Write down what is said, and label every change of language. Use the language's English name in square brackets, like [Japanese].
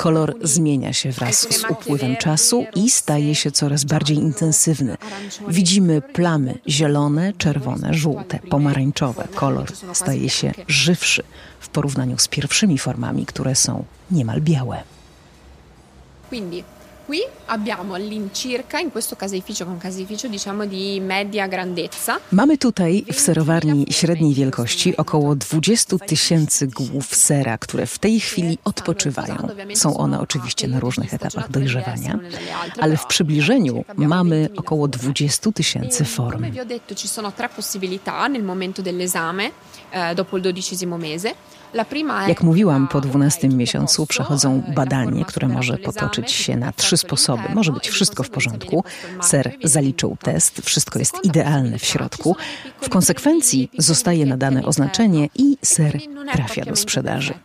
[Polish] Kolor zmienia się wraz z upływem czasu i staje się coraz bardziej intensywny. Widzimy plamy zielone, czerwone, żółte, pomarańczowe. Kolor staje się żywszy w porównaniu z pierwszymi formami, które są niemal białe. [Italian] Quindi qui abbiamo all'incirca in questo caseificio, con caseificio diciamo di media grandezza. [Polish] Mamy tutaj w serowarni średniej wielkości około 20 tysięcy głów sera, które w tej chwili odpoczywają. Są one oczywiście na różnych etapach dojrzewania, ale w przybliżeniu mamy około 20 tysięcy form. [Italian] Come vi ho detto, ci sono tre possibilità nel momento dell'esame dopo il dodicesimo mese. [Polish] Jak mówiłam, po 12 miesiącu przechodzą badanie, które może potoczyć się na 3 sposoby. Może być wszystko w porządku, ser zaliczył test, wszystko jest idealne w środku. W konsekwencji zostaje nadane oznaczenie i ser trafia do sprzedaży.